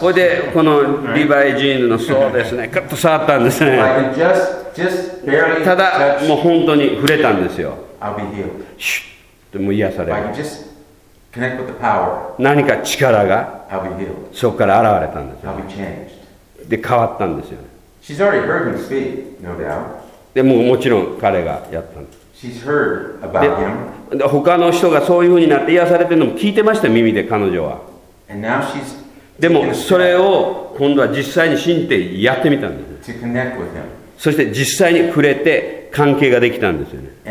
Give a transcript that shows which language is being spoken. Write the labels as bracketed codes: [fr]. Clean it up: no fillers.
[ja] これでこのリヴァイジーンズの裾ですね。カッと触ったんですね。 [en] I can just barely touch. [ja] ただもう本当に触れたんですよ。 [en] I'll be healed. [ja] も癒される。何か力がそこから現れたんですよ。で、変わったんですよね。 [en] She's already heard him speak, no doubt. [ja] でも、もちろん彼がやったんです [en] 。 She's heard about him. [ja] で、他の人がそういう風になって癒されてるのも聞いてました、耳で彼女は。 [en] And now she's [ja] でも、それを今度は実際に信じてやってみたんです。 [en] To connect with him. [ja] そして実際に触れて、関係ができたんですよね。